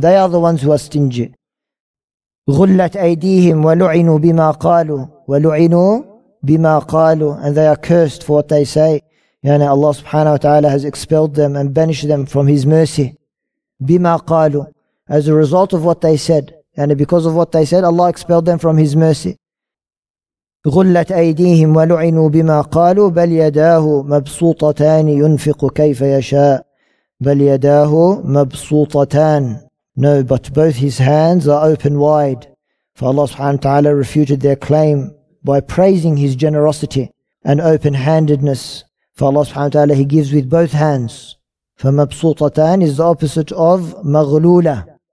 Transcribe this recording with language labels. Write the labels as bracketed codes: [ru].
[en] They are the ones who are stingy. [ar] غُلَّتْ أَيْدِيهِمْ وَلُعِنُوا بِمَا قَالُوا وَلُعِنُوا بِمَا قَالُوا. [en] And they are cursed for what they say. Yani Allah subhanahu wa ta'ala has expelled them and banished them from his mercy. [ar] بِمَا قَالُوا. [en] As a result of what they said. Yani because of what they said, Allah expelled them from his mercy. [ar] غلت أيديهم ولعنوا بما قالوا بل يداه مبسوطتان ينفق كيف يشاء بل يداه مبسوطتان. [en] No, but both his hands are open wide. For Allah subhanahu wa ta'ala refuted their claim by praising his generosity and open-handedness. For Allah subhanahu wa ta'ala, he gives with both hands. فمبسوطتان is the opposite of مغلولة.